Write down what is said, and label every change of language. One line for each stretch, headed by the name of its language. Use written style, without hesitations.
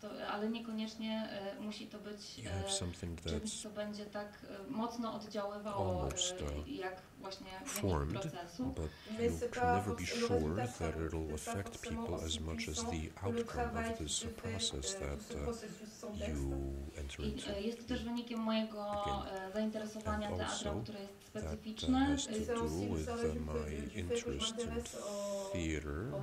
Polish: Ale niekoniecznie musi to być czymś, co będzie tak mocno oddziaływało jak właśnie
English: formed,
Polish: procesu.
English: But you can never be sure that it'll affect people as much as the outcome of this process that you enter into.
Polish: I jest to też wynikiem mojego zainteresowania teatrem, które jest specyficzne.
English: That has to do with my interest in theater.